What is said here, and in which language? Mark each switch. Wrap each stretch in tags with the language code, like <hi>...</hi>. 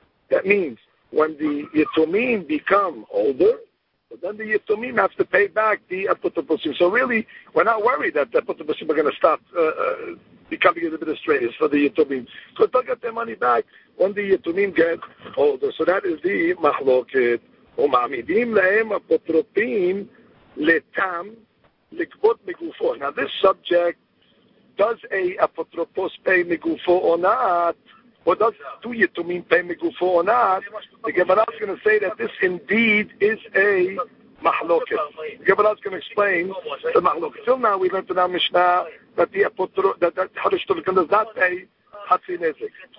<en>That means when the Yitomim become older, then the Yitomim have to pay back the apotroposim. So really, we're not worried that the apotroposim are going to stop becoming administrators for the Yitomim. So they'll get their money back when the Yitomim get older. So that is the machloket.</en> <he>ומעמידים להם אפוטרופים לתם לקבות מגופו.</he> <en>Now this subject, does a apotropos pay megufo or not? Or does two yetumim pay megufo or not? The Gemara is going to say that this indeed is a mahloket. The Gemara is going to explain the mahloket. Till now we learned in our Mishnah that the apotropos does not pay hatzi nezek.</en>